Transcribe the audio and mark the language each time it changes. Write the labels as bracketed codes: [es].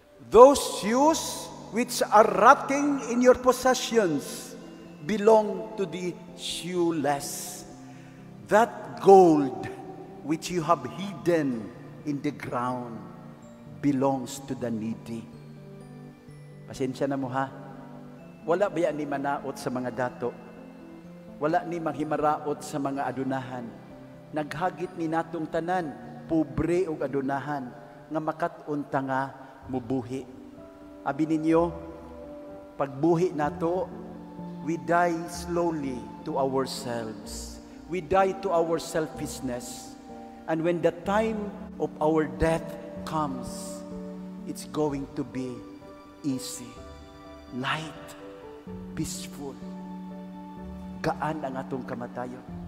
[en] Those shoes which are rotting in your possessions belong to the shoeless. That gold which you have hidden in the ground belongs to the needy. [ceb] Pasensya na mo ha. Wala ba yan ni manaot sa mga dato? Wala ni manghimaraot sa mga adunahan? Naghagit ni natong tanan, pobre o adunahan, nga makat-unta nga mubuhi. Abi ninyo, pagbuhi nato, [en] we die slowly to ourselves. We die to our selfishness. And when the time of our death comes, it's going to be easy, light, peaceful. [ceb] Gaan ang atong kamatayon.